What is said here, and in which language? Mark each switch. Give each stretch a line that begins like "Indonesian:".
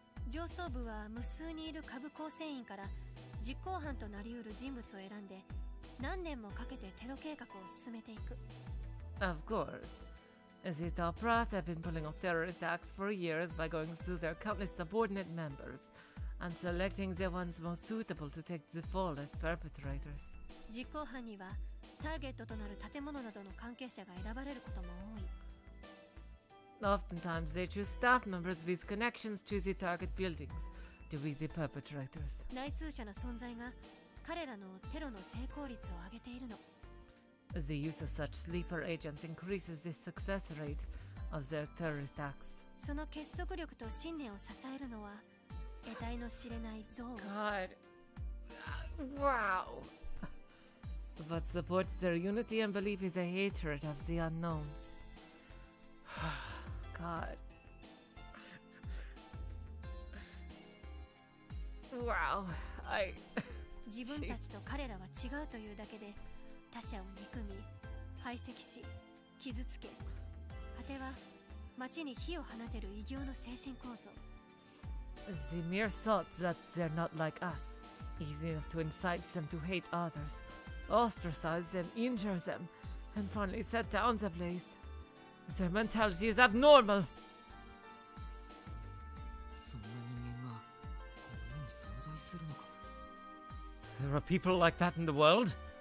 Japanese: 上層部は無数にいる下部構成員から実行犯となりうる人物を選んで何年もかけてテロ計画を進めていく。
English: Of course. The top brass have been pulling off terrorist acts for years by going through their countless subordinate members and selecting the ones most suitable to take the fall as perpetrators.
Japanese: 実行犯にはターゲットとなる建物などの関係者が選ばれることも多い。
English: Oftentimes they choose staff members with connections to the target buildings to be the perpetrators.
Japanese: 内通者の存在が彼らのテロの成功率を上げているの。
English: The use of such sleeper agents increases the success rate of their terrorist acts.
Japanese: その結束力と信念を支えるのは、得体の知れない憎
English: 悪。God. Wow. What supports their unity and belief is a hatred of the unknown. God. Wow. I.
Japanese: 自分たちと彼らは違うというだけで。他者を憎み、排斥し、傷つけ、果ては町に火を放てる異形の精神構造。
English: The mere thought that they're not like us, easy enough to incite them to hate others, ostracize them, injure them, and finally set down the place. Their mentality is abnormal!
Japanese: そんな人間がこの世に存在するのか?
English: There are people like that in the world?